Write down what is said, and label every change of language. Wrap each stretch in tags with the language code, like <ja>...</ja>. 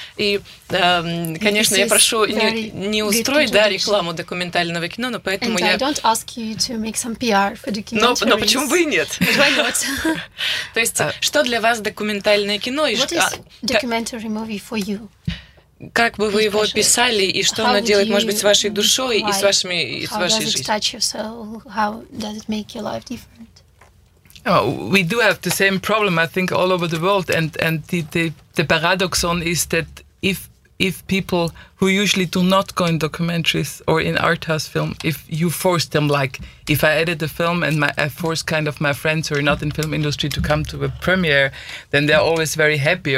<ru>И, конечно, я прошу не устроить, да, рекламу документального кино, но поэтому я...</ru> <en>I don't ask you to make some PR for documentaries.</en> <ru>Но почему бы и нет?</ru> <en>Why not?</en> <ru>То есть, что для вас документальное кино?</ru> <en>What is documentary movie for you?</en> <ru>Как бы вы его описали, и что оно делает, может быть, с вашей душой и с вашей жизнью?</ru> <en>How does it touch your soul? How does it make your life different? Oh, we do have the same problem, I think, all over the world. And the paradoxon is that if people who usually do not go in documentaries or in art house film, if you force them, like if I edit a film and I force kind of my friends who are not in film industry to come to a premiere, then they're always very happy.</en>